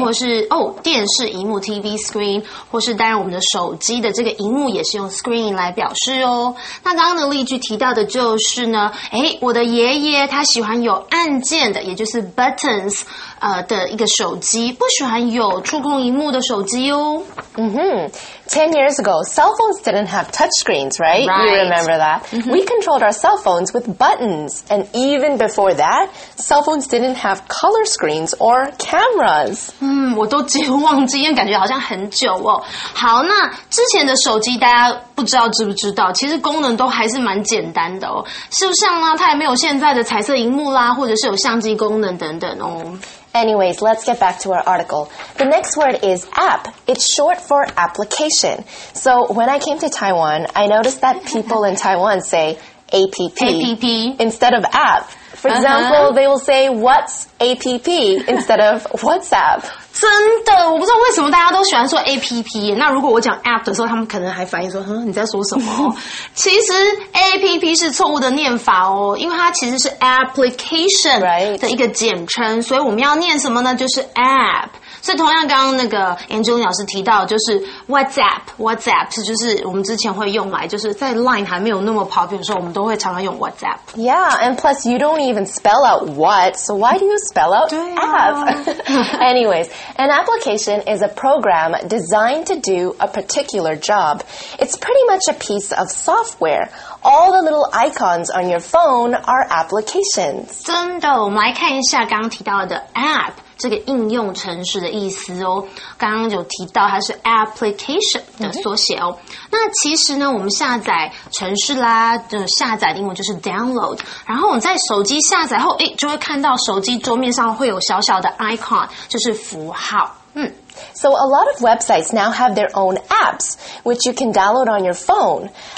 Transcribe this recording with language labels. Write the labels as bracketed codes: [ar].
[zh] 或是哦电视荧幕 TV screen， 或是当然我们的手机的这个荧幕也是用 screen 来表示哦。那刚刚的例句提到的就是呢，哎，我的爷爷他喜欢有按键的，也就是 buttons。的一个手机，不喜欢有触控荧幕的手机哦。 Mm-hmm. [en] 10 years ago, cell phones didn't have touchscreens, right? Right. You remember that?、 Mm-hmm. We controlled our cell phones with buttons. And even before that, cell phones didn't have color screens or cameras. [zh] 我都几乎忘记，因为感觉好像很久哦。好，那之前的手机大家不知道知不知道，其实功能都还是蛮简单的哦。就像呢，它也没有现在的彩色荧幕啦，或者是有相机功能等等哦。 [en] Anyways, let's get back to our article. The next word is app. It's short for application. So when I came to Taiwan, I noticed that people in Taiwan say APP, APP. instead of app. For example, they will say, what's APP instead of WhatsApp? [zh] 真的，我不知道为什么大家都喜欢说 APP。那如果我讲 APP 的时候，他们可能还反应说，哼，你在说什么？其实 APP 是错误的念法哦，因为它其实是 application 的一个简称，所以我们要念什么呢？就是 APP。所以同样刚刚那个 Angela 老师提到就是 WhatsApp 就是我们之前会用来就是在 Line 还没有那么 popular 的时候我们都会常常用 WhatsApp. [en] Yeah, and plus you don't even spell out what, so why do you spell out app? Anyways, an application is a program designed to do a particular job. It's pretty much a piece of software. All the little icons on your phone are applications. [zh] 真的，我们来看一下刚刚提到的 app. 这个应用程式的意思哦，刚刚有提到它是 application 的缩写哦。那其实呢，我们下载程式啦，下载的英文就是 download， 然后我们在手机下载后，诶，就会看到手机桌面上会有小小的 icon， 就是符号。 [en] So a lot of websites now have their own apps, which you can download on your phone.